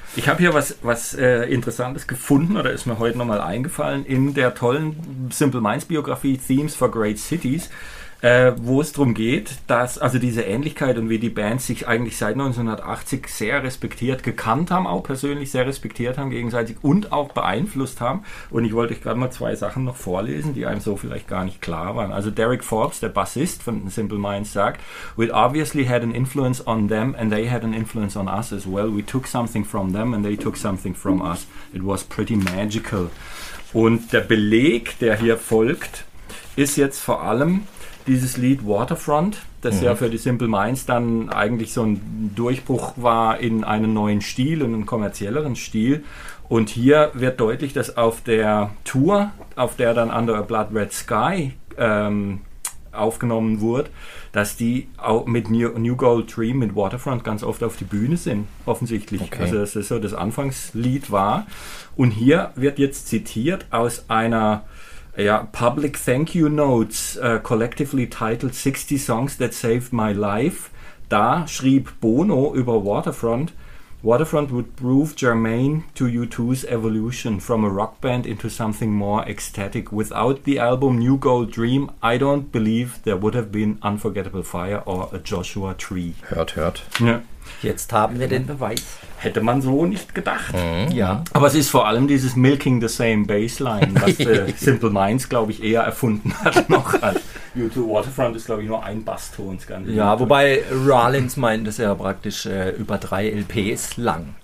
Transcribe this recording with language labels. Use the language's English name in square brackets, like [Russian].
[German] Ich habe hier was Interessantes gefunden, oder ist mir heute nochmal eingefallen, in der tollen Simple Minds Biografie Themes for Great Cities, wo es darum geht, dass also diese Ähnlichkeit und wie die Bands sich eigentlich seit 1980 sehr respektiert gekannt haben, auch persönlich sehr respektiert haben gegenseitig und auch beeinflusst haben. Und ich wollte euch gerade mal zwei Sachen noch vorlesen, die einem so vielleicht gar nicht klar waren. Also Derek Forbes, der Bassist von Simple Minds, sagt, [English] "We obviously had an influence on them and they had an influence on us as well. We took something from them and they took something from us. It was pretty magical." [German] Und der Beleg, der hier folgt, ist jetzt vor allem dieses Lied Waterfront, das ja für die Simple Minds dann eigentlich so ein Durchbruch war in einen neuen Stil, in einen kommerzielleren Stil. Und hier wird deutlich, dass auf der Tour, auf der dann Under a Blood Red Sky aufgenommen wurde, dass die auch mit New Gold Dream, mit Waterfront ganz oft auf die Bühne sind, offensichtlich. Okay. Also das ist so das Anfangslied war. Und hier wird jetzt zitiert aus einer Public Thank You Notes, collectively titled 60 Songs That Saved My Life. Da schrieb Bono über Waterfront: [English] Waterfront would prove germane to U2's evolution from a rock band into something more ecstatic. Without the album New Gold Dream, I don't believe there would have been Unforgettable Fire or a Joshua Tree. [German] Hört, hört. Ja. Jetzt haben wir den Beweis. Hätte man so nicht gedacht. Mhm. Ja. Aber es ist vor allem dieses Milking the Same Bassline, was Simple Minds, glaube ich, eher erfunden hat noch als U2. Waterfront ist, glaube ich, nur ein Basston. Ja, wobei Rollins meint, dass er praktisch über drei LPs lang.